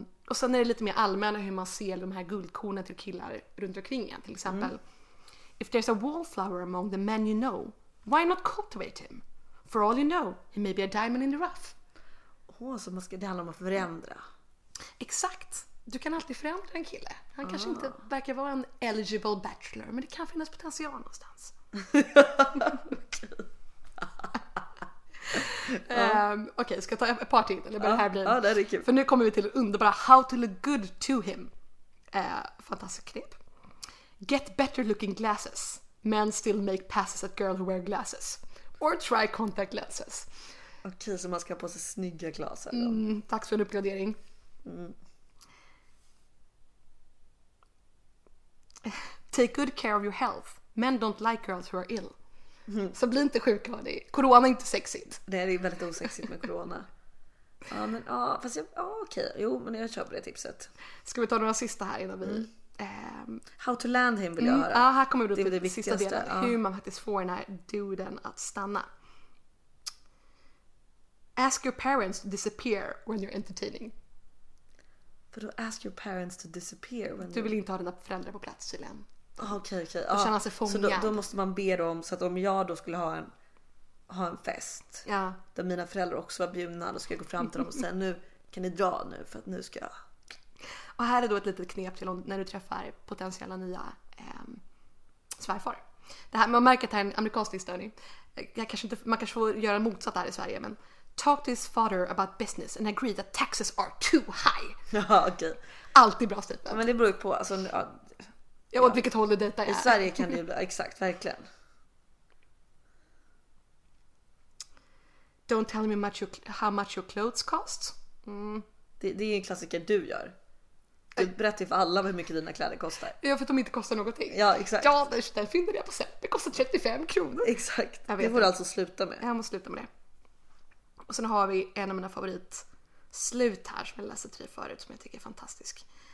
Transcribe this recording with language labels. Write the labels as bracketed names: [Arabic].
[Swedish] Och sen är det lite mer allmänna hur man ser de här guldkornen till killar runt omkring en, till exempel. Mm. [English] If there's a wallflower among the men you know, why not cultivate him? For all you know, he may be a diamond in the rough. [Swedish] Åh, så man ska, det handlar om att förändra. Mm. Exakt. Du kan alltid förändra en kille. Han kanske inte verkar vara en [English] eligible bachelor, [Swedish] men det kan finnas potential någonstans. Okej, okay, ska jag ta ett par till? Eller bara här blir. Ja, det är kul. För nu kommer vi till underbara [English] how to look good to him. [Swedish] Fantastiskt knep. [English] Get better looking glasses. Men still make passes at girl who wear glasses. Or try contact lenses. [Swedish] Okej, okay, så man ska ha på sig snygga glasar. Mm, tack för en uppgradering. Mm. [English] Take good care of your health. Men don't like girls who are ill. Mm. [Swedish] Så bli inte sjuk av dig. Corona är inte sexigt. Det är väldigt osexigt med corona. Ja, men fast jag, okej. Jo, men jag köper det tipset. Ska vi ta några sista här innan vi... Mm. [English] How to land him [Swedish] vill jag höra. Ja, här kommer du till det sista delen. Hur man faktiskt får den här duden att stanna. [English] Ask your parents to disappear when you're entertaining. [Swedish] För då [English] ask your parents to disappear when... [Swedish] Du vill inte ha dina föräldrar på plats till en. Okej. Så då måste man be dem, så att om jag då skulle ha en fest där mina föräldrar också var bjudna, då ska jag gå fram till dem och säga, nu kan ni dra nu, för att nu ska jag... Och här är då ett litet knep till när du träffar potentiella nya svärfar. Det här, man märker att det här är en amerikansk störning. Man kanske får göra motsatt här i Sverige, men [English] talk to his father about business and agree that taxes are too high. [Swedish] Ja, okej. Alltid bra stil. Men det beror på, alltså... Ja, åt vilket håll detta är. I Sverige kan det ju bli, exakt, verkligen. [English] Don't tell me much how much your clothes cost. [Swedish] Det är en klassiker du gör. Du berättar för alla hur mycket dina kläder kostar. Ja, för att de inte kostar någonting. Ja, exakt. Ja, där finner jag på sätt. Det kostar 35 kronor. Exakt, jag vet det får du alltså sluta med. Jag måste sluta med det. Och sen har vi en av mina favorit slut här som jag läste tre förut som jag tycker är fantastisk.